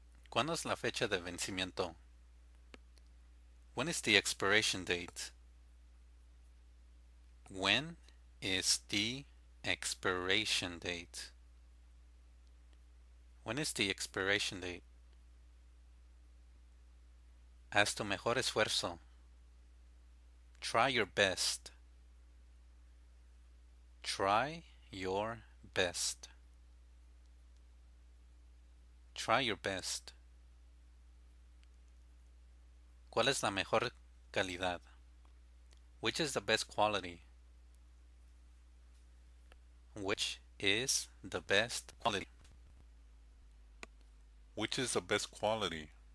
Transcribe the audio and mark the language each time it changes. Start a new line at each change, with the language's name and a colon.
Spanish: ¿Cuándo es la fecha de vencimiento?
English: When is the expiration date? When is the expiration date? When is the expiration date?
Spanish: Haz tu mejor esfuerzo.
English: Try your best. Try your best. Try your best.
Spanish: ¿Cuál es la mejor calidad?
English: Which is the best quality? Which is the best quality? Which is the best quality?